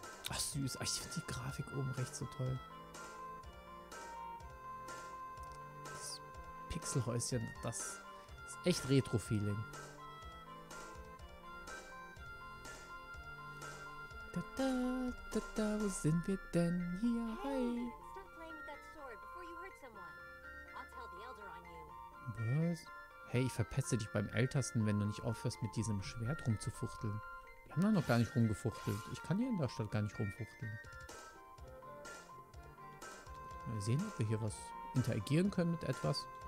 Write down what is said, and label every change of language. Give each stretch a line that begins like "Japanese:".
German: Ach süß, ich finde die Grafik oben rechts so toll. Pixelhäuschen, das ist echt Retro-Feeling. Da, da, da, da, wo sind wir denn hier?
English: Hey, stop playing with that sword before you hurt someone. I'll tell the elder on you.
German: Was? Hey, ich verpetze dich beim Ältesten, wenn du nicht aufhörst, mit diesem Schwert rumzufuchteln. Wir haben da noch gar nicht rumgefuchtelt. Ich kann hier in der Stadt gar nicht rumfuchteln. Mal sehen, ob wir hier was interagieren können mit etwas.